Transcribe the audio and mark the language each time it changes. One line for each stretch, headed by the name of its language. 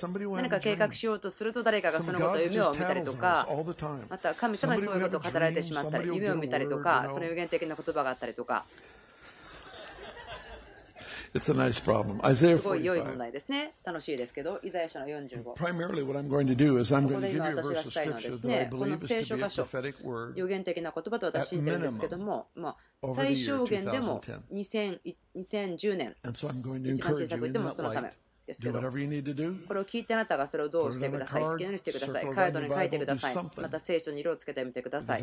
Japanese: 何か計画しようとすると、誰かがそのこと夢を見たりとか、また神様にそういうことを語られてしまったり、夢を見たりとか、その預言的な言葉があったりとか。
English: It's a nice problem.
Japanese: Isaiah 45. すごい良い問題ですね。楽しいですけど、イザヤ書の45。
English: Primarily, what I'm going to do is I'm going to give you a verse of scripture that I believe is to be a prophetic word.
Japanese: この聖書箇所、予言的な言葉と私は信じているんですけども、まあ最小限でも2010年、一番小さくてもそのため。ですけど、これを聞いてあなたがそれをどうしてください、好きなようにしてください、カードに書いてください、また聖書に色をつけてみてください。